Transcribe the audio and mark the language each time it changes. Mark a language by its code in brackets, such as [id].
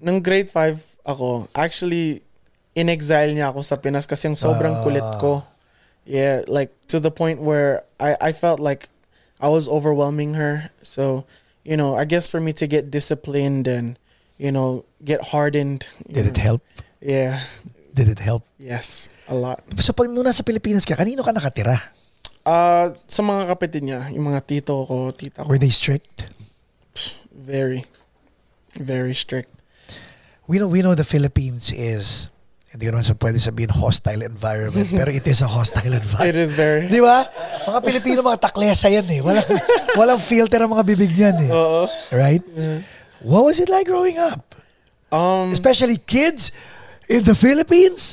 [tl] Nung grade 5 ako, actually, in-exile niya ako sa Pinas kasi yung sobrang kulit ko. [en] Yeah, like, to the point where I felt like I was overwhelming her. So, you know, I guess for me to get disciplined and, you know, get hardened. Did it help? Yeah. Did it help? Yes, a lot. [tl] So, pag nuna sa Pilipinas ka, kanino ka nakatira? Sa mga kapatid niya, yung mga tito ko, tita ko. [en] Were they strict? Very, very strict. We know the Philippines is... [tl] Hindi naman sa pwede sabihin [en] hostile environment, pero it is a hostile environment. It is very. [tl] Di ba? Mga Pilipino, mga taklesa yan eh. Walang filter ang mga bibig niyan eh. Uh-oh. [en] Right? Yeah. What was it like growing up? Especially kids in the Philippines?